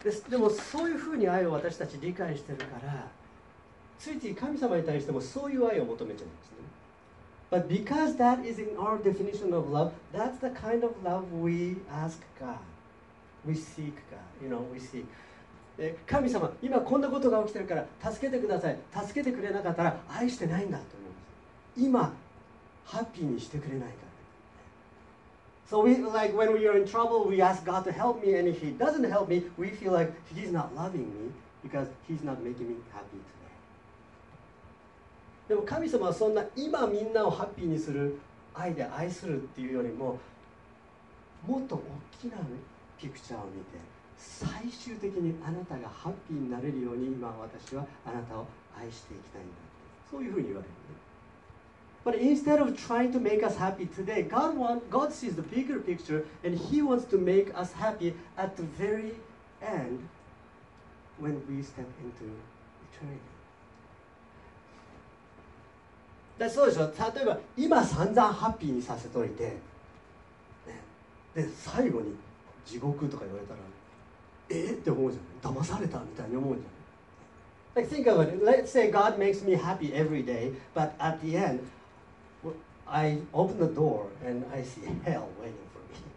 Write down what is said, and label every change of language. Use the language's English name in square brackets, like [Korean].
[Japanese] でもそういうふうに愛を私たち理解してるから、ついつい神様に対してもそういう愛を求めちゃうんですね。 [English] But because that is in our definition of love, that's the kind of love we ask God. We seek God. You know, we seek. [Japanese] 神様、今こんなことが起きてるから助けてください。助けてくれなかったら愛してないんだと思うんです。今、ハッピーにしてくれないから。 [English] So we, like when we are in trouble, we ask God to help me, and if He doesn't help me, we feel like He's not loving me because He's not making me happy today. [Japanese] でも神様はそんな今みんなをハッピーにする愛で愛するっていうよりも、もっと大きなピクチャーを見て、最終的にあなたがハッピーになれるように、今私はあなたを愛していきたいんだ。そういうふうに言われる。 [English] But instead of trying to make us happy today, God sees the bigger picture and He wants to make us happy at the very end when we step into eternity. [Japanese] だそうでしょ。例えば今散々ハッピーにさせといて、ね、で最後に地獄とか言われたら、えって思うじゃん。騙されたみたいに思うじゃん。 [English] Like, think of it. Let's say God makes me happy every day, but at the endI open the door and I see hell waiting for me.